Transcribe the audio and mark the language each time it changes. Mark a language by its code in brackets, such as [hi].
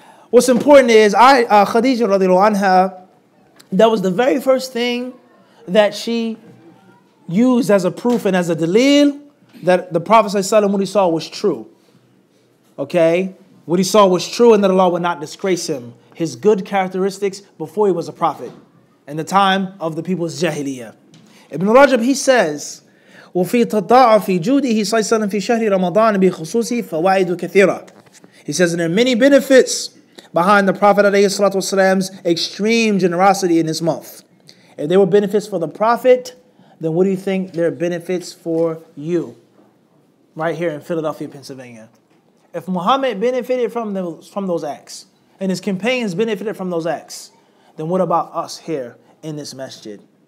[en] What's important is Khadija radiallahu anha. That was the very first thing that she used as a proof and as a dalil that the Prophet ﷺ, what he saw was true. Okay, what he saw was true, and that Allah would not disgrace him. His good characteristics before he was a prophet. In the time of the people's jahiliyyah. Ibn Rajab, he says, [ar] وَفِي تَضَاعَفِ جُودِهِ صَلَّى اللَّهُ فِي شَهْرِ رَمَضَانَ بِخُصُوصِهِ فَوَائِدُ كَثِيرًا. [en] He says, and there are many benefits behind the Prophet ﷺ's extreme generosity in this month. If there were benefits for the Prophet, then what do you think there are benefits for you? Right here in Philadelphia, Pennsylvania. If Muhammad benefited from those acts, and his companions benefited from those acts, then what about us here in this masjid?